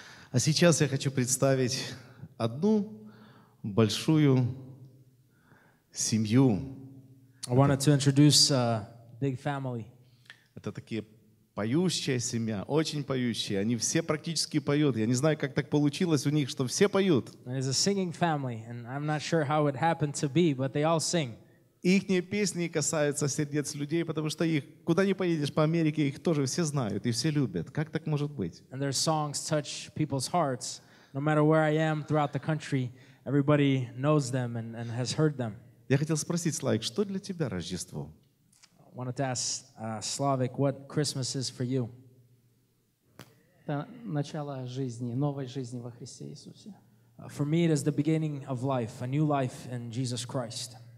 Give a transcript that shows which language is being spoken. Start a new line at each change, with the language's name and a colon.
Russian: А сейчас я хочу представить одну большую семью.
English: I wanted to introduce a big family.
Russian: Это такие поющая семья, очень поющие. Они все практически поют. Я не знаю, как так получилось у них, что все поют.
English: It's a singing family, and I'm not sure how it happened to be, but they all sing.
Russian: Ихние песни касаются сердец людей, потому что их, куда ни поедешь по Америке, их тоже все знают и все любят. Как так может быть?
English: And their songs touch people's hearts. No matter where I am throughout the country, everybody knows them and has heard them.
Russian: Я хотел спросить, Славик, что для тебя Рождество?
English: I wanted to ask Slavik, what Christmas is for you?
Russian: Это начало жизни, новой жизни во Христе Иисусе.
English: For me, it is the beginning of life, a new life in Jesus Christ.